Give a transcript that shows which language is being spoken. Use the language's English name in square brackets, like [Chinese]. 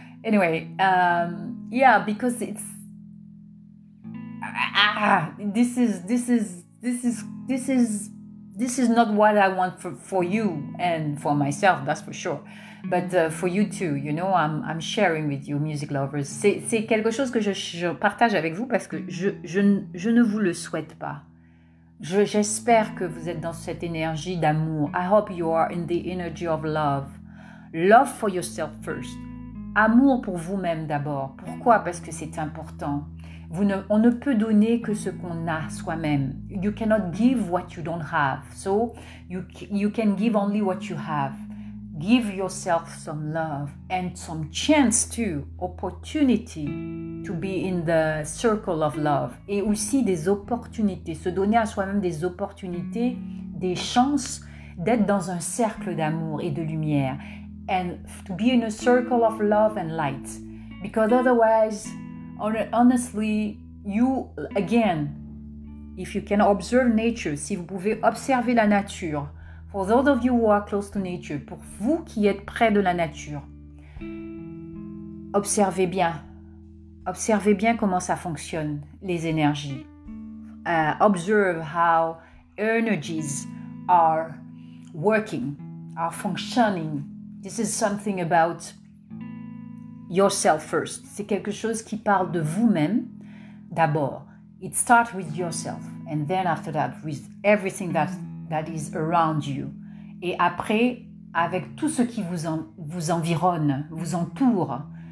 [English] Anyway, because this is not what I want for you and for myself, that's for sure. But for you too, you know, I'm sharing with you, music lovers. [French] C'est quelque chose que je partage avec vous parce que je ne vous le souhaite pas. J'espère que vous êtes dans cette énergie d'amour. [English] I hope you are in the energy of love. Love for yourself first. [French] Amour pour vous-même d'abord. Pourquoi? Parce que c'est important. On ne peut donner que ce qu'on a soi-même. [English] You cannot give what you don't have. So, you can give only what you have. give yourself some love and some chance to opportunity to be in the circle of love. [French] Et aussi des opportunités, se donner à soi-même des opportunités, des chances d'être dans un cercle d'amour et de lumière. [English] And to be in a circle of love and light. Because otherwise, honestly, you, again, if you can observe nature, [French] si vous pouvez observer la nature, [English] for those of you who are close to nature, [French] pour vous qui êtes près de la nature, observez bien. Observez bien comment ça fonctionne, les énergies. [English] Observe how energies are working, are functioning. This is something about yourself first. [French] C'est quelque chose qui parle de vous-même d'abord. [English] It starts with yourself, and then after that, with everything that is around you. [French] Et après, avec tout ce qui vous environne, vous entoure.